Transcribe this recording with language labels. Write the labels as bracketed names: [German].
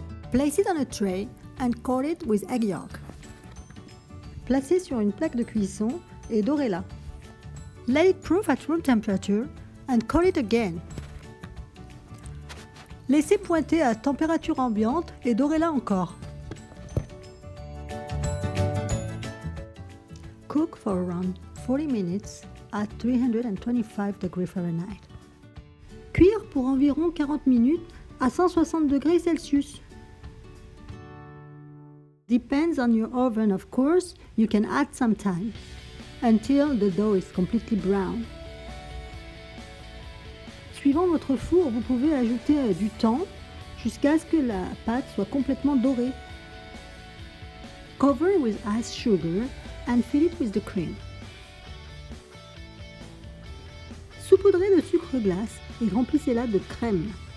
[English] Place it on a tray and coat it with egg yolk. [French] Placez sur une plaque de cuisson et dorez-la. [English] Let it proof at room temperature and coat it again. [French] Laissez pointer à température ambiante et dorez-la encore. [English] Cook for around 40 minutes at 325 degrees Fahrenheit. [French] Cuire pour environ 40 minutes à 160 degrés Celsius. [English] Depends on your oven, of course, you can add some time until the dough is completely brown. [French] Suivant votre four, vous pouvez ajouter du temps jusqu'à ce que la pâte soit complètement dorée. [English] Cover with ice sugar and fill it with the cream. [French] Saupoudrez de sucre glace et remplissez-la de crème.